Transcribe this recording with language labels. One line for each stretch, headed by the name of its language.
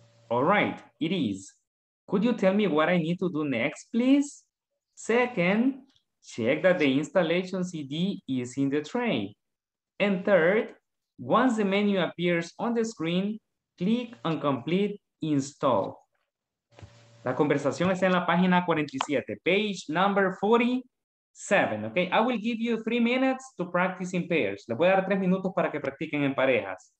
English: All right, it is. Could you tell me what I need to do next, please? Second, check that the installation CD is in the tray. And third, once the menu appears on the screen, click on complete install.
Spanish: La conversación está en la página 47,
English: page number 40. Seven, okay? I will give you 3 minutes to practice in pairs.
Spanish: Les voy a dar 3 minutos para que practiquen en parejas.